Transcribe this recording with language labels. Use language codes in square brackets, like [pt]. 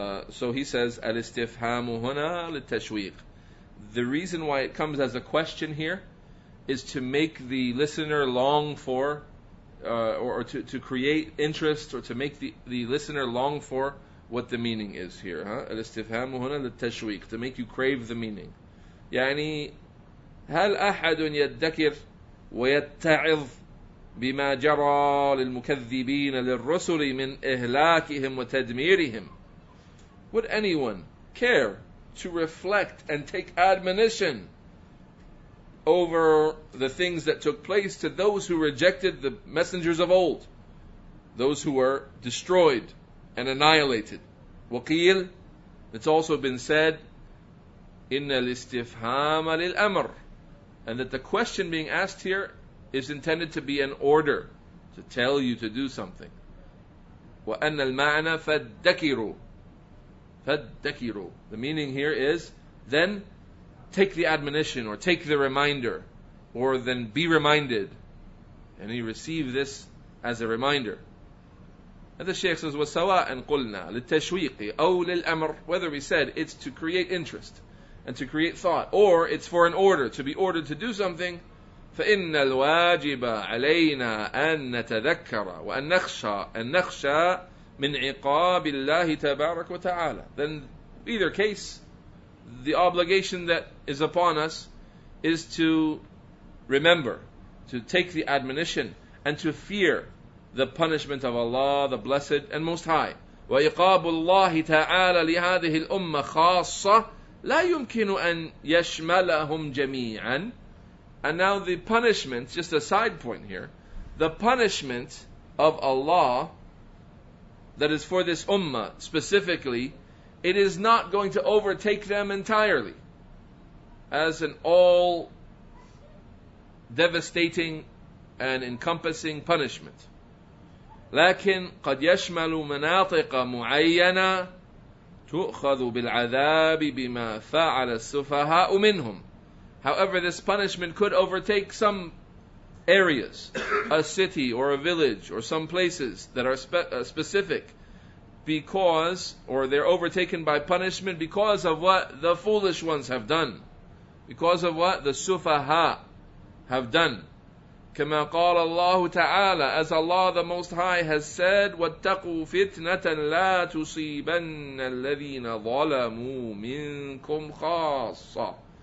[en] So he says, [ar] الاستفهام هنا للتشويق. [en] The reason why it comes as a question here is to make the listener long for, or to create interest, or to make the listener long for what the meaning is here. [ar] الاستفهام هنا للتشويق, [en] to make you crave the meaning. [ar] يعني هل أحد يذكر ويتعظ بما جرى للمكذبين للرسل من إهلاكهم وتدميرهم. [en] Would anyone care to reflect and take admonition over the things that took place to those who rejected the messengers of old, those who were destroyed and annihilated? [ar] وقيل, [en] it's also been said, [ar] إِنَّ الْإِسْتِفْهَامَ لِلْأَمْرِ, [en] and that the question being asked here is intended to be an order, to tell you to do something. [ar] وَأَنَّ الْمَعْنَى فَادَّكِرُوا. فَدَّكِرُوا. [en] The meaning here is, then take the admonition, or take the reminder, or then be reminded. And you receive this as a reminder. And the Shaykh says, [ar] وَسَوَاءً قُلْنَا لِلْتَشْوِيقِ أَوْ لِلْأَمْرِ. [en] Whether we said it's to create interest and to create thought, or it's for an order, to be ordered to do something, [ar] فَإِنَّ الْوَاجِبَ عَلَيْنَا أَن نَتَذَكَّرَ وَأَنَّخْشَى مِنْ عِقَابِ اللَّهِ تَبَارَكُ وَتَعَالَى. [en] Then, either case, the obligation that is upon us is to remember, to take the admonition, and to fear the punishment of Allah, the Blessed and Most High. [ar] وَعِقَابُ اللَّهِ تَعَالَى لِهَذِهِ الْأُمَّةِ خَاصَّةٌ لَا يُمْكِنُ أَنْ يَشْمَلَهُمْ جَمِيعًا. [en] And now the punishment, just a side point here, the punishment of Allah that is for this ummah specifically, it is not going to overtake them entirely as an all devastating and encompassing punishment. [ar] لكن قد يشمل مناطق معينة تؤخذ بالعذاب بما فعل السفهاء منهم. [en] However, this punishment could overtake some areas, a city or a village or some places that are specific, because, or they're overtaken by punishment because of what the foolish ones have done, because of what the sufaha have done. [ar] كما قال الله تعالى, [en] as Allah the Most High has said, [ar] وَاتَّقُوا فِتْنَةً لَا تُصِيبَنَّ الَّذِينَ ظَلَمُوا مِنْكُمْ خَاصَّةً.